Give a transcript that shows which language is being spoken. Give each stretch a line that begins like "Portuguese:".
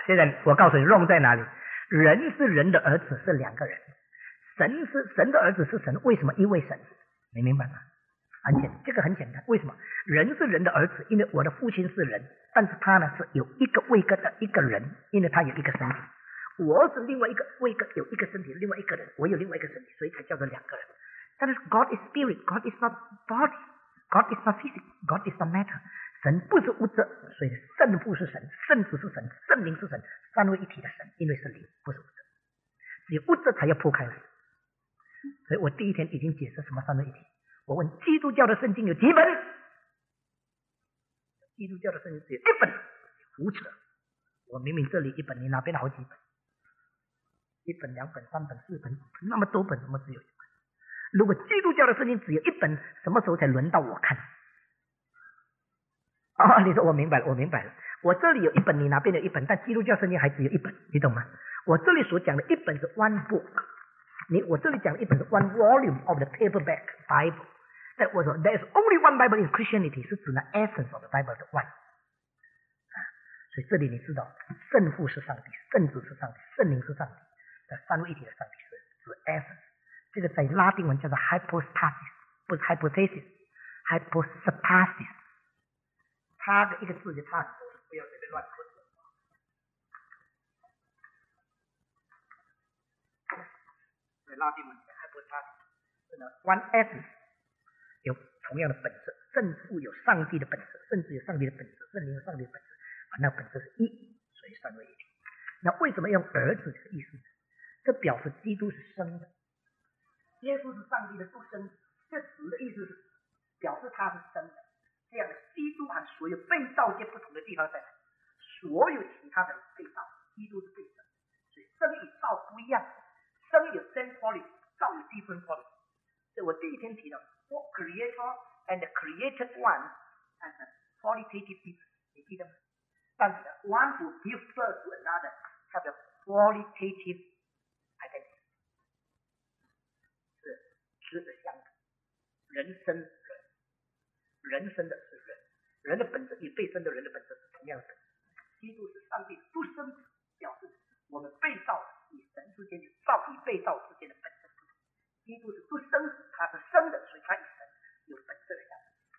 Chinese: 现在我告诉你 wrong 在哪里？人是人的儿子是两个人。神是神的儿子是神，为什么一位神？你明白吗？很简单，这个很简单。为什么人是人的儿子？因为我的父亲是人，但是他呢是有一个位格的一个人，因为他有一个身体。我是另外一个位格，有一个身体，另外一个人，我有另外一个身体，所以才叫做两个人。但是
English: God is spirit, God is not body, God is not physics, God is not matter。
Chinese: 神不是物质，所以圣父是神，圣子是神，圣灵是神，三位一体的神，因为是灵，不是物质。只有物质才要铺开来。所以我第一天已经解释什么三位一体。我问基督教的圣经有几本？基督教的圣经只有一本，胡扯！我明明这里一本，你哪边好几本？一本、两本、三本、四本，那么多本，怎么只有一本？如果基督教的圣经只有一本，什么时候才轮到我看？哦，你说我明白了，我明白了。我这里有一本，你哪边有一本？但基督教圣经还只有一本，你懂吗？我这里所讲的一本是
English: one book。
Chinese: 我这里讲一本是
English: one volume of the paperback Bible，
Chinese: 但我说
English: there is only one Bible in Christianity，
Chinese: 是指那
English: essence of the Bible
Chinese: 的
English: one。
Chinese: 所以这里你知道，圣父是上帝，圣子是上帝，圣灵是上帝，那三位一体的上帝是指 essence。这个在拉丁文叫做 hypostasis， 不是 hypothesis， hypostasis。它的一个字就差不多，不要随便乱说。拉丁文 hypostasis，
English: one essence，
Chinese: 有同样的本质，圣父有上帝的本质，圣子有上帝的本质，圣灵有上帝的本质，那本质是一，所以三位一体。那为什么用儿子这个意思呢？这表示基督是生的，耶稣是上帝的独生子，这子的意思是表示他是生的。这样的基督和所有被造界不同的地方在哪？所有其他的被造，基督是被造，所以生与造不一样。生有
English: same quality，
Chinese: 造有
English: different quality。
Chinese: 所以我第一天提到
English: what creator and the created one as a qualitative difference，
Chinese: 你记得吗？但是
English: one who gives birth to another have a qualitative identity，
Chinese: 是质的相同。人生人，人生的是人，人的本质与被生的人的本质是同样的。基督是上帝独生子，表示我们被造的与神之间，与造与被造之间的本质不同。基督是不生，他是生的，所以他与神有本质的相同。